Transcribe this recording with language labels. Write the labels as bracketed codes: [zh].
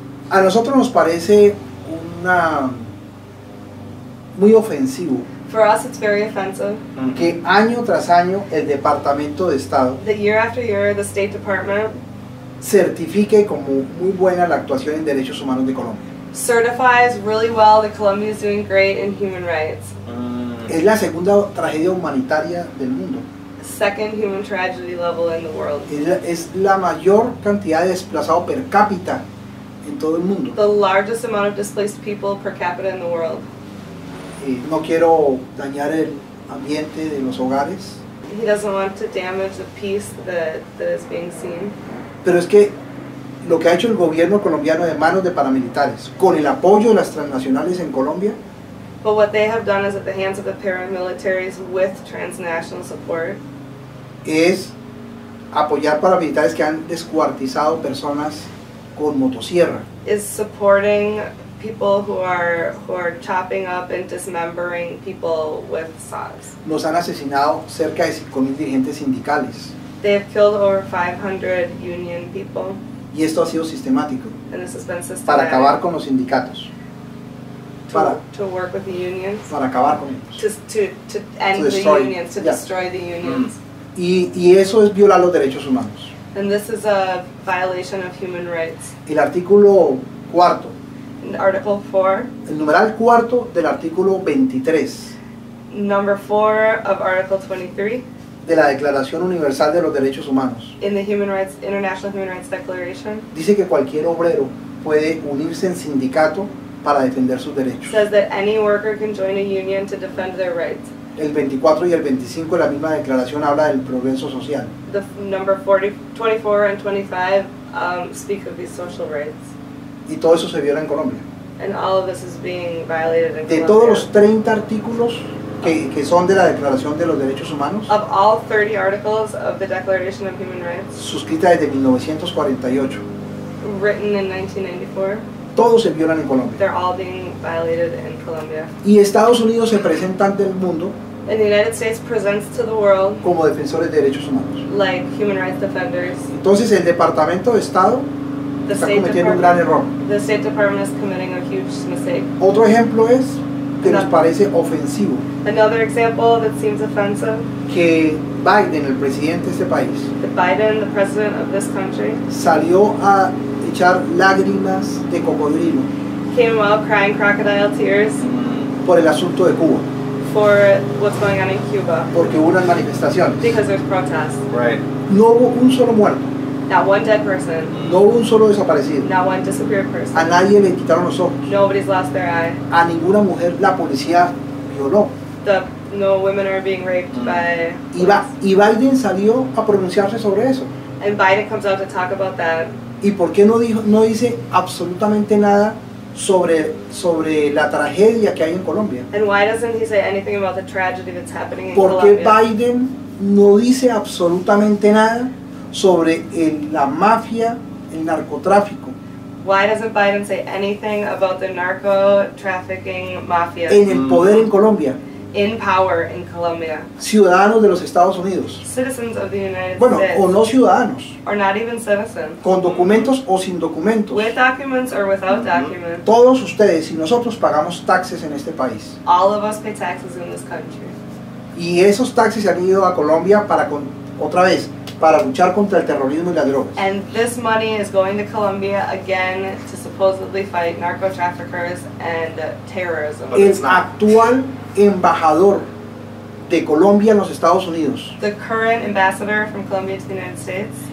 [es] A nosotros nos parece una muy ofensivo. [en] For us, it's very offensive. Mm-hmm. [es] Que año tras año el Departamento de Estado. [en] The year after year, the State Department. [es] Certifique como muy buena la actuación en derechos humanos de Colombia. [en] Certifies really well that Colombia is doing great in human rights. [es] Es la segunda tragedia humanitaria del mundo. [en] Second human tragedy level in the world. [es] Es la mayor cantidad de desplazados per cápita en todo el mundo. [en] The largest amount of displaced people per capita in the world. [es] No quiero dañar el ambiente de los hogares. [en] He doesn't want to damage the peace that is being seen. [es] Pero es que lo que ha hecho el gobierno colombiano de manos de paramilitares, con el apoyo de las transnacionales en Colombia. [en] But what they have done is at the hands of the paramilitaries with transnational support. [es] Es apoyar paramilitares que han descuartizado personas con motosierra. [en] Is supporting people who are chopping up and dismembering people with saws. [es] Nos han asesinado cerca de 5,000 dirigentes sindicales. [en] They have killed over 500 union people. [es] Y esto ha sido sistemático. [en] And this has been systematic. [es] Para acabar con los sindicatos. [en] To work with the unions. [es] Para acabar con ellos. [en] To destroy the unions. [es] Mm. Y eso es violar los derechos humanos. [en] And this is a violation of human rights. [es] El artículo cuarto. [en] In article 4. [es] El numeral cuarto del artículo 23. [en] Number 4 of article 23. [es] De la Declaración Universal de los Derechos Humanos. [en] In the Human Rights, International Human Rights Declaration. [es] Dice que cualquier obrero puede unirse en sindicato para defender sus derechos. [en] Says that any worker can join a union to defend their rights. [es] El 24 y el 25 de la misma declaración habla del progreso social. [en] The number 24 and 25 speak of these social rights. [es] Y todo eso se viola en Colombia. [en] And all of this is being violated in Colombia. [es] De todos los 30 artículos que son de la Declaración de los Derechos Humanos. [en] Of all 30 articles of the Declaration of Human Rights. [es] Suscrita desde 1948. [en] Written in 1994. [es] Todos se violan en Colombia. [en] They're all being violated in Colombia. [es] Y Estados Unidos se presenta ante el mundo. [en] And the United States presents to the world. [es] Como defensores de derechos humanos. [en] Like human rights defenders. [es] Entonces el Departamento de Estado está cometiendo un gran error. [en] The State Department is committing a huge mistake. [es] Otro ejemplo es que nos parece ofensivo. [en] Another example that seems offensive. [es] Que Biden, el presidente de este país. [en] That Biden, the president of this country. [es] Salió a echar lágrimas de cocodrilo. [en] Came out crying crocodile tears. [es] Por el asunto de Cuba. [en] For what's going on in Cuba. [es] Porque hubo unas manifestaciones. [en] Because there's protests. Right. [es] No hubo un solo muerto. [en] Not one dead person. [es] No hubo un solo desaparecido. [en] Not one disappeared person. [es] A nadie le quitaron los ojos. [en] Nobody's lost their eye. [es] A ninguna mujer la policía violó. [en] No women are being raped by police. [es] Y Biden salió a pronunciarse sobre eso. [en] And Biden comes out to talk about that. [es] ¿Y por qué no dice absolutamente nada sobre la tragedia que hay en Colombia? [en] And why doesn't he say anything about the tragedy that's happening in Colombia? [es] ¿Por qué Biden no dice absolutamente nada sobre la mafia, el narcotráfico? [en] Why doesn't Biden say anything about the narco trafficking mafia? [es] En el poder en Colombia. [en] In power in Colombia. [es] Ciudadanos de los Estados Unidos. [en] Citizens of the United States. [es] Bueno, o no ciudadanos. [en] Or not even citizens. [es] Con documentos o sin documentos. [en] With documents or without documents. [es] Todos ustedes y nosotros pagamos taxes en este país. [en] All of us pay taxes in this country. [es] Y esos taxes se han ido a Colombia para luchar contra el terrorismo y la droga. [en] And this money is going to Colombia again to supposedly fight narco traffickers and terrorism. [es] El actual embajador de Colombia en los Estados Unidos. [en] The current ambassador from Colombia to the United States.